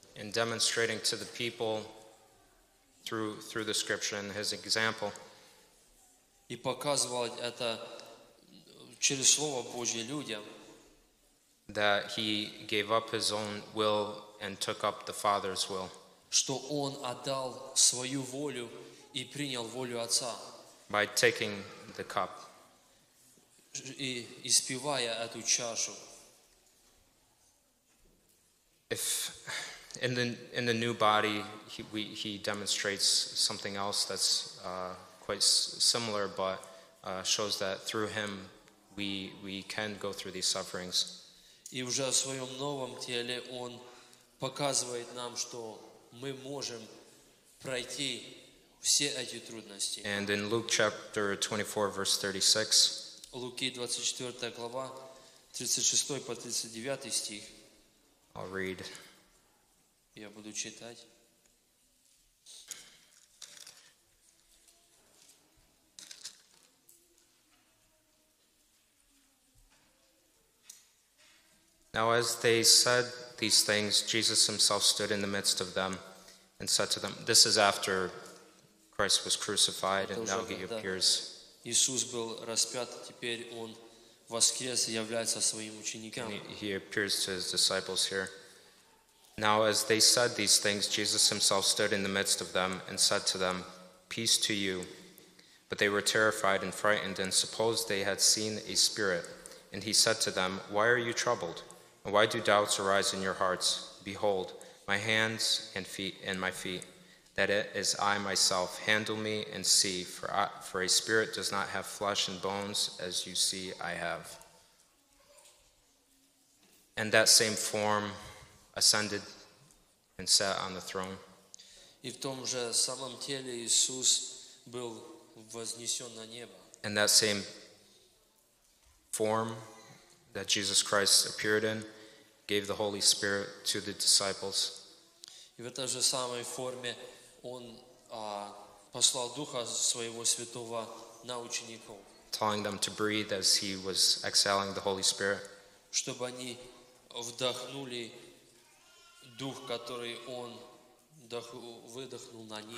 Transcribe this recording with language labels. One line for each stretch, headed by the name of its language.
English: And demonstrating to the people through the scripture and his example.
Russian: И показывал это через Слово Божье людям.
English: That he gave up his own will and took up the Father's will.
Russian: Что он отдал свою волю и принял волю Отца.
English: By taking the cup.
Russian: И испивая эту чашу.
English: If in the new body he demonstrates something else that's quite similar, but shows that through him we can go through these sufferings.
Russian: И уже в своем новом теле он показывает нам, что мы можем пройти все эти трудности.
English: And in Luke chapter 24, verse 36.
Russian: Луки 24 глава, 36 по 39 стих.
English: I'll read.
Russian: Я буду читать.
English: Now as they said these things, Jesus himself stood in the midst of them and said to them, this is after Christ was crucified and now he appears.
Russian: Иисус был распят, теперь он воскрес и является своим ученикам.
English: He appears to his disciples here. Now as they said these things, Jesus himself stood in the midst of them and said to them, peace to you. But they were terrified and frightened, and supposed they had seen a spirit. And he said to them, Why are you troubled? And why do doubts arise in your hearts? Behold, my hands and feet and my feet, that it is I myself. Handle me and see, for a spirit does not have flesh and bones, as you see I have. And that same form ascended and sat on the throne.
Russian: И в том же самом теле Иисус был вознесен на небо.
English: And that same form that Jesus Christ appeared in gave the Holy Spirit to the disciples.
Russian: И в этой же самой форме он послал Духа своего Святого на учеников.
English: Telling them to breathe as he was exhaling the Holy Spirit.
Russian: Чтобы они вдохнули дух, который он выдохнул на них.